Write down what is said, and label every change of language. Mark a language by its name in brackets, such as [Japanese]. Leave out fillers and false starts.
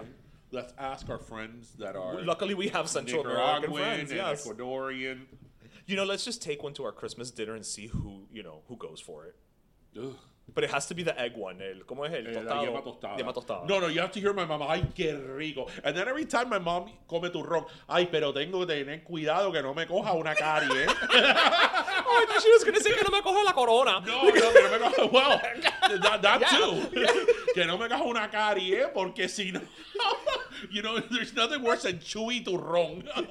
[English] Okay. Let's ask our friends that are... Luckily, we have Central American friends. Yes. Ecuadorian. You know, let's just take one to our Christmas dinner and see who, you know, who goes for it. Ugh. But it has to be the egg one. [Spanish] ¿Cómo es el tostado? Yema tostada. Yema tostada. [English] No, you have to hear my mom. [Spanish] Ay, qué rico. [English] And then every time my mom come [Spanish] turrón, ay, pero tengo que tener cuidado que no me coja una carie. [English] Oh, I thought she was going to say [Spanish] que no me coja la corona. No, que no me coja... [English] Well, that too. Yeah. [Spanish] Que no me caja una carie, porque si no... [English] You know, there's nothing worse than chewy turrón.